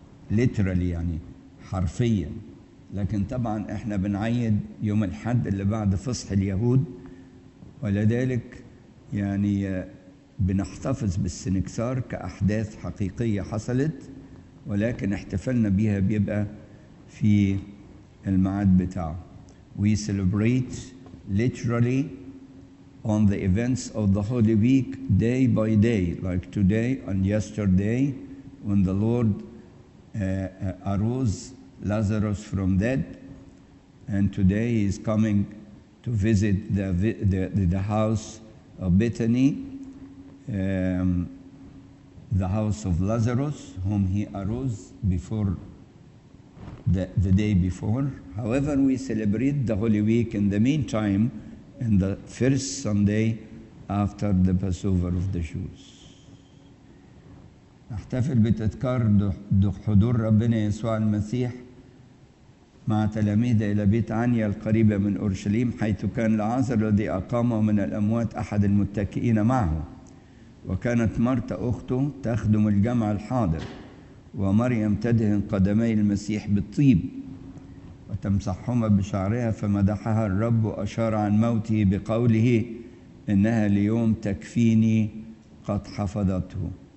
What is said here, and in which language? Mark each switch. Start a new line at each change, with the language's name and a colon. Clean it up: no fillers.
Arabic: literally يعني حرفياً، لكن طبعا احنا بنعيد يوم الحد اللي بعد فصح اليهود، ولذلك يعني بنحتفظ بالسنكسار كأحداث حقيقية حصلت، ولكن احتفلنا بها بيبقى في الميعاد بتاعه.
English: We celebrate literally on the events of the Holy Week day by day, like today and yesterday when the Lord arose Lazarus from dead, and today he is coming to visit the house of Bethany, the house of Lazarus, whom he arose before the day before. However, we celebrate the Holy Week in the meantime, in the first Sunday after the Passover of the Jews.
Arabic: نحتفل بتذكار حضور ربنا يسوع المسيح مع تلاميذه إلى بيت عنيا القريبة من أورشليم، حيث كان لعازر الذي أقامه من الأموات أحد المتكئين معه، وكانت مرتا أخته تخدم الجمع الحاضر، ومريم تدهن قدمي المسيح بالطيب وتمسحهما بشعرها، فمدحها الرب وأشار عن موته بقوله إنها ليوم تكفيني قد حفظته.